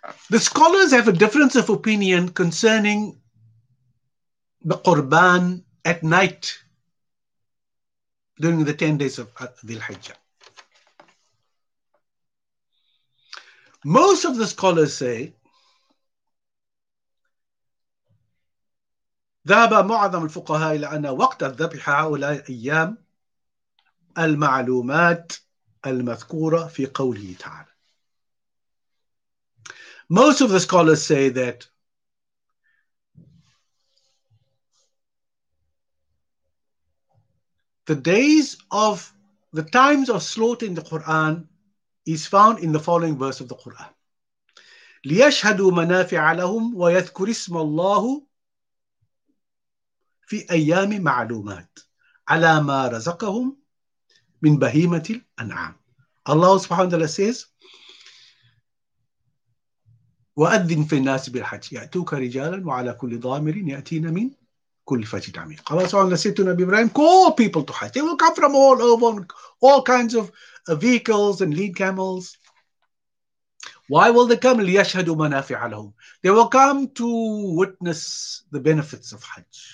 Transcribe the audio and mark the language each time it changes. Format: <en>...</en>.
<en>The scholars have a difference of opinion concerning the Qurban at night during the 10 days of Dhul Hijjah. Most of the scholars say</en> <ar>ذهب معظم الفقهاء إلى أن وقت الذبح هؤلاء الأيام المعلومات المذكورة في قوله تعالى.</ar> <en>Most of the scholars say that the days of the times of slaughter in the Quran is found in the following verse of the Quran.</en> <ar>ليشهدوا منافع لهم ويذكر اسم الله في أيام معلومات على ما رزقهم من بهيمة الأنعام.</ar> <en>Allah subhanahu wa ta'ala says,</en> <ar>وأذن في الناس بالحج يأتوك رجالا وعلى كل ضامر يأتين من كل فج عميق.</ar> <en>Allah subhanahu wa ta'ala said to Nabi Ibrahim, call people to hajj. They will come from all over, all kinds of vehicles and lead camels. Why will they come?</en> <ar>ليشهدوا منافع لهم.</ar> <en>They will come to witness the benefits of hajj.</en>